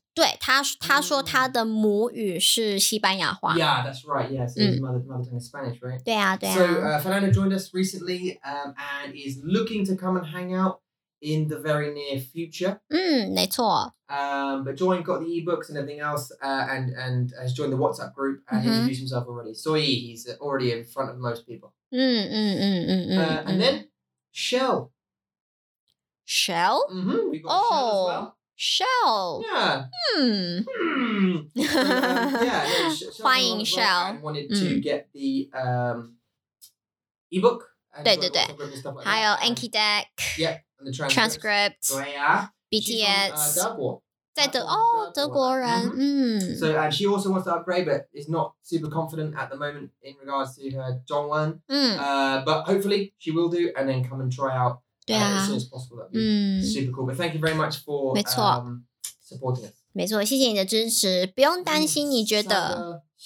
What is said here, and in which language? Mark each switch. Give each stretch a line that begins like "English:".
Chinese: 对他说他的母语是西班牙话。
English: Yeah, that's right. Yes, his mother tongue is Spanish, right?
Chinese: 对啊，对啊。
English: So Fernando joined us recently, and is looking to come and hang out. in the very near future. But Joy got the ebooks and everything else, and has joined the WhatsApp group and introduced himself already. So he's already in front of most people. And then Shell. Shell? We got Shell as well. Shell. Wanted to get the ebook.
Chinese: 对对对,
English: like
Chinese: 还有Anki Deck,
English: and the transcript, BTS,
Chinese: 德国人,
English: so she also wants to upgrade, but is not super confident at the moment in regards to her Zhongwen, but hopefully she will do, and then come and try out as soon as possible. That would be super cool. But thank you very much for supporting us.
Chinese: 没错，谢谢你的支持，不用担心，你觉得。